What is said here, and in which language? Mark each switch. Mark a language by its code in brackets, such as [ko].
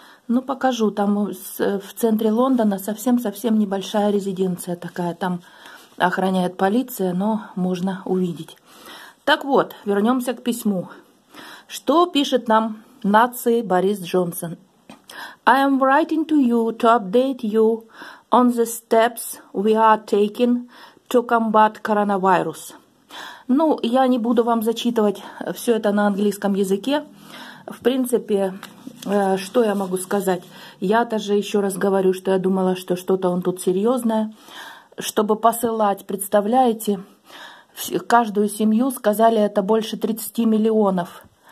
[ru] Ну, покажу, там в центре Лондона совсем-совсем небольшая резиденция такая, там охраняет полиция, но можно увидеть. Так вот, вернемся к письму. Что пишет нам нации Борис Джонсон? [en] I am writing to you to update you on the steps we are taking to combat coronavirus. [ru] Ну, я не буду вам зачитывать все это на английском языке. В принципе, что я могу сказать? Я-то же еще раз говорю, что я думала, что что-то он тут серьезное. Чтобы посылать, представляете, каждую семью, сказали, это больше 30 миллионов.